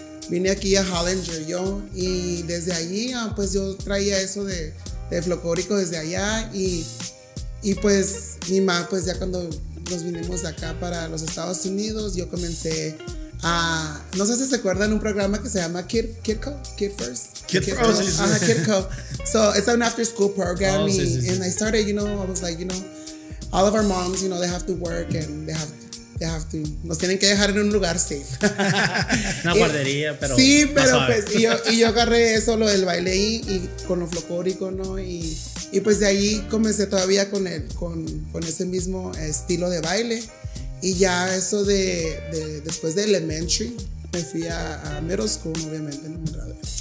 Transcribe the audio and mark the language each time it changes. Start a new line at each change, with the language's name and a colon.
Spanish: Vine aquí a Hollinger yo y desde allí, pues yo traía eso de folclórico desde allá y pues mi mamá, pues ya cuando nos vinimos de acá para los Estados Unidos, yo comencé a, no sé si se acuerdan, un programa que se llama Kid First,
English: it's an after school program. And I started, you know, I was like, you know, all of our moms, you know, they have to work and they have to
Spanish: nos tienen que dejar en un lugar
English: safe.
Spanish: Una guardería, pero sí, pero pues y yo agarré eso, lo del baile y con lo folclórico, ¿no? Y pues de ahí comencé todavía con ese mismo estilo de baile. Y ya eso de después de elementary, me fui a middle school, obviamente, no me gradué.